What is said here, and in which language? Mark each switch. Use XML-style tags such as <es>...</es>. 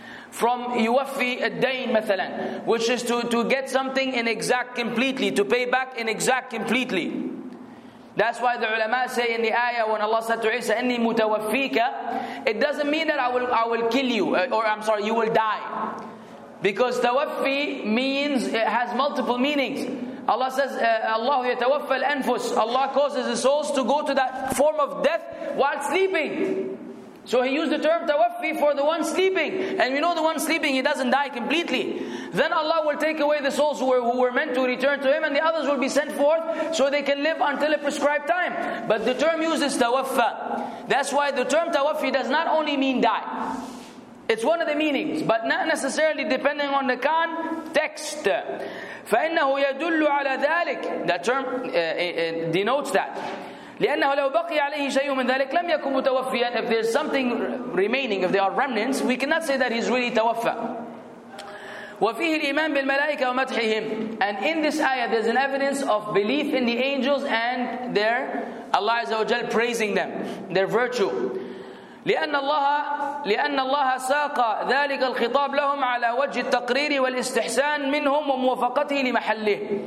<en>From</en> <ar>يوفي الدين مثلا,</ar> <en>which is to get something in exact completely, to pay back in exact completely. That's why the ulama say in the ayah when Allah said to Isa,</en> <ar>إِنِّي مُتَوَفِّيكَ,</ar> <en>it doesn't mean that I will kill you, or I'm sorry, you will die. Because تَوَفِّي means, it has multiple meanings. Allah says,</en> <ar>اللَّهُ يَتَوَفَّى الْأَنْفُسِ.</ar> <en>Allah causes the souls to go to that form of death while sleeping. So he used the term tawaffi for the one sleeping. And we know the one sleeping, he doesn't die completely. Then Allah will take away the souls who were meant to return to him, and the others will be sent forth so they can live until a prescribed time. But the term used is tawaffa. That's why the term tawaffi does not only mean die. It's one of the meanings, but not necessarily depending on the context.</en> <ar>فَإِنَّهُ يَدُلُّ عَلَى ذَلِكَ.</ar> <en>That term denotes that.</en> <ar>لأنه لو بقي عليه شيء من ذلك لم يكن متوفيا.</ar> <en>If there's something remaining, if there are remnants, we cannot say that he's really توفى.</en> <ar>وفيه الإيمان بالملائكة ومدحهم.</ar> <en>And in this ayah there's an evidence of belief in the angels and their Allah</en> <ar>عز وجل</ar> <en>praising them, their virtue.</en> <ar>لأن الله ساق ذلك الخطاب لهم على وجه التقرير والاستحسان منهم وموافقته لمحله.</ar>